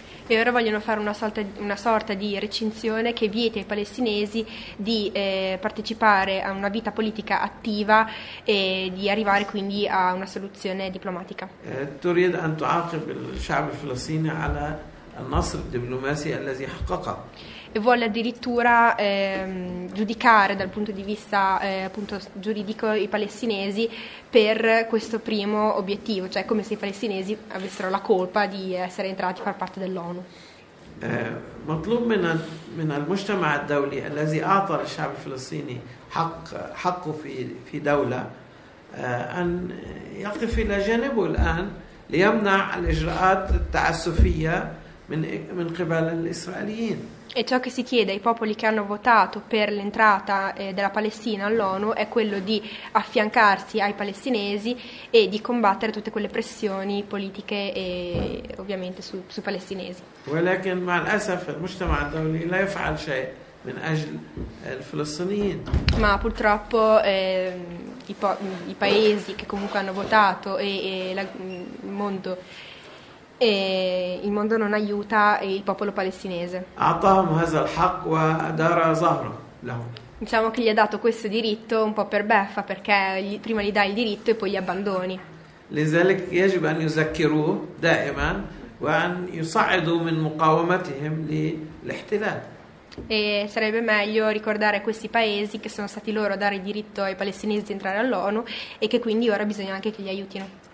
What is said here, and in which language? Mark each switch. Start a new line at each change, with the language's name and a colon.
Italian: E ora vogliono fare una sorta di recinzione che vieta ai palestinesi di partecipare a una vita politica attiva e di arrivare quindi a una soluzione diplomatica.
Arabic: تريد أن تعاقب الشعب الفلسطيني على النصر الدبلوماسي الذي حققه.
Italian: E vuole addirittura giudicare dal punto di vista appunto, giuridico i palestinesi per questo primo obiettivo, cioè come se i palestinesi avessero la colpa di essere entrati a far parte dell'ONU.
Arabic: مطلوب من المجتمع الدولي الذي أعطى للشعب الفلسطيني حقه في دولة أن يقف إلى جانبه الآن ليمنع الإجراءات التعسفية من قبل الإسرائيليين.
Italian: E ciò che si chiede ai popoli che hanno votato per l'entrata della Palestina all'ONU è quello di affiancarsi ai palestinesi e di combattere tutte quelle pressioni politiche e ovviamente sui palestinesi.
Arabic: ولكن مع الأسف المجتمع الدولي لا يفعل شيء من أجل الفلسطينيين.
Italian: Ma purtroppo i paesi che comunque هانو votato e il mondo. E il mondo non aiuta il popolo palestinese.
Arabic: أعطاهم هذا الحق وأدار ظهره لهم.
Italian: Diciamo che gli ha dato questo diritto un po' per beffa, perché prima gli dai il diritto e poi gli abbandoni.
Arabic: لذلك يجب أن يذكروه دائما وأن يصعدوا من مقاومتهم للاحتلال.
Italian: E sarebbe meglio ricordare questi paesi che sono stati loro a dare il diritto ai palestinesi di entrare all'ONU e che quindi ora bisogna anche che li aiutino.